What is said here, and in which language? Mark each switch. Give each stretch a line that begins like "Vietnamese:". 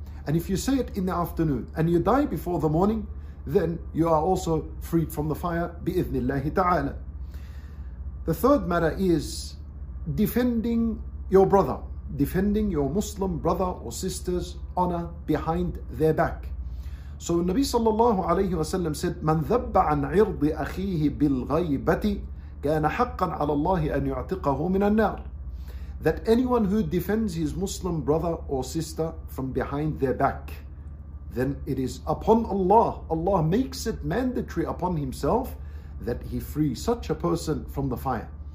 English: And if you say it in the afternoon and you die before the morning, then you are also freed from the fire
Arabic: بإذن الله تعالى.
English: The third matter is defending your brother, defending your Muslim brother or sister's honor behind their back. So Nabi sallallahu alayhi wa sallam said,
Arabic: من ذب عن عرض أخيه بالغيبة كان حقا على الله أن يعتقه من النار.
English: That anyone who defends his Muslim brother or sister from behind their back, then it is upon Allah. Allah makes it mandatory upon himself that he frees such a person from the fire.